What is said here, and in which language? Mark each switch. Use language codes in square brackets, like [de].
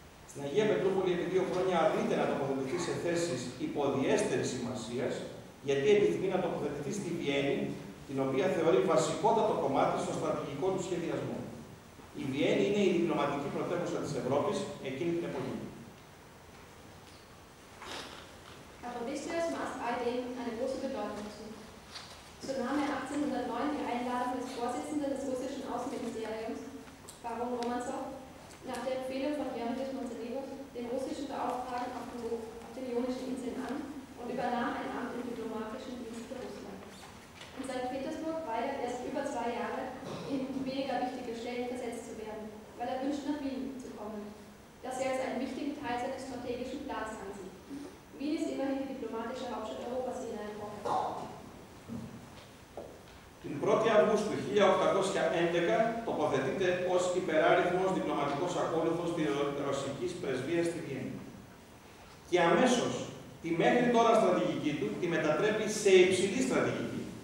[el] Στην Αγία Πετρούπολη, επί δύο χρόνια αρνείται να τοποθετηθεί σε θέσεις υποδιέστερης σημασίας, γιατί επιθυμεί να τοποθετηθεί στη Βιέννη, την οποία θεωρεί βασικότατο κομμάτι στο στρατηγικό του σχεδιασμό. Η Βιέννη είναι η διπλωματική πρωτεύουσα της Ευρώπης εκείνη την εποχή. Καποδίστριας μας [de] all dem eine große Bedeutung zu. So nahm 1809 die Einladung des Vorsitzenden des russischen Außenministeriums, Baron Romanzow, nach der Empfehlung von Heinrich Montenegro, den russischen Beauftragten auf den Ionischen Inseln an und übernahm ein Amt im diplomatischen Dienst für Russland. In St. Petersburg war er erst über zwei Jahre, in weniger wichtige Stellen versetzt zu werden, weil er wünscht, nach Wien zu kommen, das er als einen wichtigen Teil seines strategischen Plans ansieht. Wien ist immerhin die diplomatische Hauptstadt Europas in einem Wort. [el] Την 1η Αυγούστου 1811 τοποθετείται ως υπεράριθμος διπλωματικός ακόλουθος της ρωσικής πρεσβείας στη Βιέννη. Και αμέσως τη μέχρι τώρα στρατηγική του τη μετατρέπει σε υψηλή στρατηγική.